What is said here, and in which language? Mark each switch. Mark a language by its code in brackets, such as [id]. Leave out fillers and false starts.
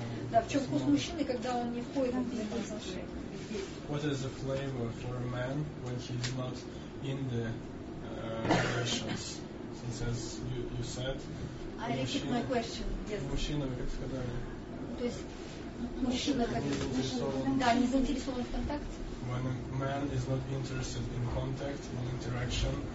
[ru] В чем вкус мужчины, когда он не входит в отношения? [en] What is the flavor for a man when he's not in the relations? Since as you said, [ru] мужчина, как сказали. То есть мужчина, да, не заинтересован в контакте. [en] When a man is not interested in contact, in interaction,